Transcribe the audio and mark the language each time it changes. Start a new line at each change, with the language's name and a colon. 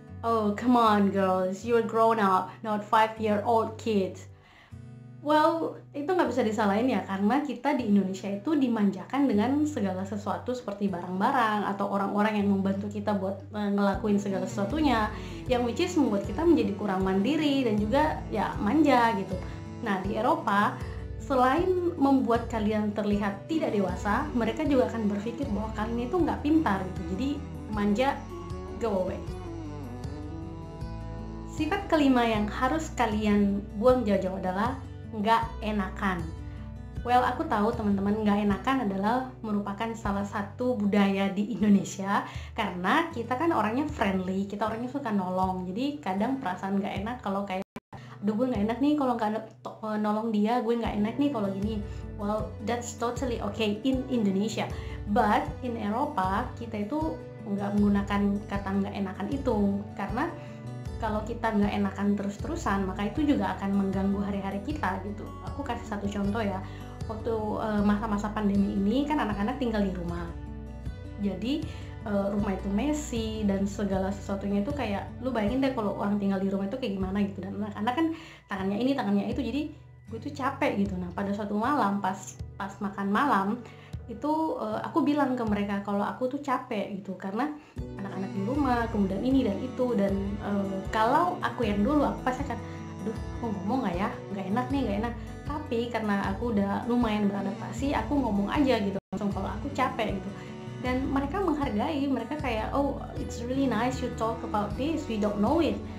English: Oh, come on girls, you're grown up, not 5-year-old kids.
Indonesian: Well, itu nggak bisa disalahin ya, karena kita di Indonesia itu dimanjakan dengan segala sesuatu seperti barang-barang atau orang-orang yang membantu kita buat ngelakuin segala sesuatunya, yang which is membuat kita menjadi kurang mandiri dan juga ya manja gitu. Nah, di Eropa, selain membuat kalian terlihat tidak dewasa, mereka juga akan berpikir bahwa kalian itu nggak pintar gitu. Jadi, manja,
English: go away.
Indonesian: Sifat kelima yang harus kalian buang jauh-jauh adalah nggak enakan. Well, aku tahu teman-teman, nggak enakan adalah merupakan salah satu budaya di Indonesia. Karena kita kan orangnya friendly, kita orangnya suka nolong. Jadi, kadang perasaan nggak enak kalau kayak, aduh gue gak enak nih kalau gak nolong dia, gue gak enak nih kalau gini.
English: Well, that's totally okay in Indonesia.
Indonesian: But in Eropa, kita itu gak menggunakan kata gak enakan itu. Karena kalau kita gak enakan terus-terusan, maka itu juga akan mengganggu hari-hari kita gitu. Aku kasih satu contoh ya. Waktu masa-masa pandemi ini kan anak-anak tinggal di rumah. Jadi rumah itu messy dan segala sesuatunya itu kayak lu bayangin deh kalau orang tinggal di rumah itu kayak gimana gitu, dan anak-anak kan tangannya ini tangannya itu, jadi gue tuh capek gitu. Nah pada suatu malam pas makan malam itu aku bilang ke mereka kalau aku tuh capek gitu karena anak-anak di rumah kemudian ini dan itu, dan kalau aku yang dulu aku pasti akan, aduh aku ngomong gak ya, gak enak, tapi karena aku udah lumayan beradaptasi aku ngomong aja gitu langsung kalau aku capek gitu. Dan mereka menghargai, mereka kayak,
English: oh it's really nice you talk about this, we don't know it.